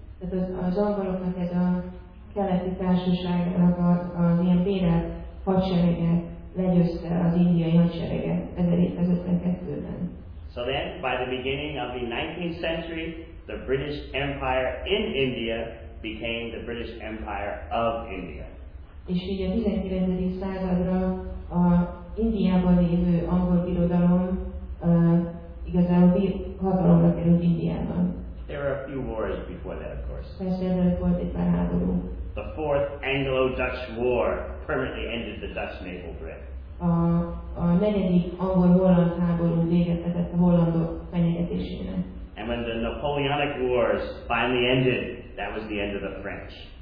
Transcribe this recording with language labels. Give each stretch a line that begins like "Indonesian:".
Hungarian: Tehát az angoloknak ez a keleti társaságnak az ilyen bérelt hadserege legyőzte az indiai hadsereget 1752-ben.
English: So then, by the beginning of the 19th century, the British Empire in India became the British Empire of India.
Hungarian: És így a 19. századra a Indiában lévő angol birodalom igazából hatalomra került Indiában.
English: There were a few wars before that, of course. The Fourth Anglo-Dutch War permanently ended the Dutch maple bread. And when the Napoleonic Wars finally ended, that was the end of the French.